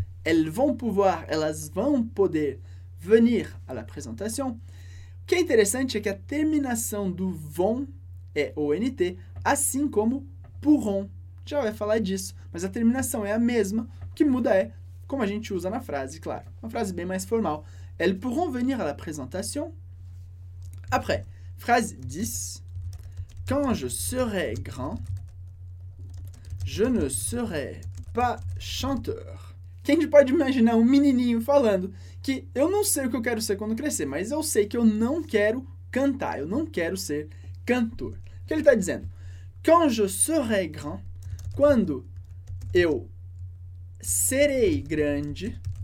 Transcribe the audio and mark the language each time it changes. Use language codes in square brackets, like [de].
[fr] Elles vont pouvoir, [pt] elas vão poder [fr] venir à la présentation. [pt] O que é interessante é que a terminação do vont é ONT, assim como pourront. Já vai falar disso, mas a terminação é a mesma, o que muda é como a gente usa na frase, claro. Uma frase bem mais formal. [fr] Elles pourront venir à la présentation. Après, phrase 10. Quand je serai grand, je ne serai pas chanteur. [pt] Quem pode imaginar um menininho falando que eu não sei o que eu quero ser quando crescer, mas eu sei que eu não quero cantar, eu não quero ser cantor. O que ele está dizendo? [fr] Quand je serai grand, [pt] quando eu serei grande.